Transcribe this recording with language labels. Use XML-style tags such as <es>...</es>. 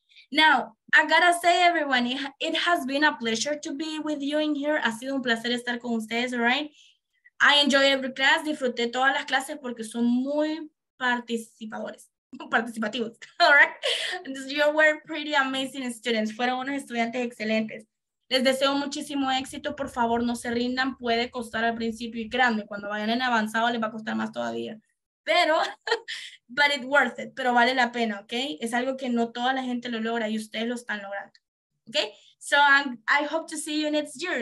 <en>Now, I gotta say, everyone, it has been a pleasure to be with you in here.</en> <es>Ha sido un placer estar con ustedes,</es> <en>all right? I enjoy every class.</en> <es>Disfruté todas las clases porque son muy participadores.</es> <en>Participativos, all right? You were pretty amazing students.</en> <es>Fueron unos estudiantes excelentes. Les deseo muchísimo éxito. Por favor, no se rindan. Puede costar al principio y créanme, cuando vayan en avanzado les va a costar más todavía. Pero,</es> <en>but it's worth it,</en> <es>pero vale la pena, okay? Es algo que no toda la gente lo logra y ustedes lo están logrando, okay?</es> <en>So I hope to see you next year.</en>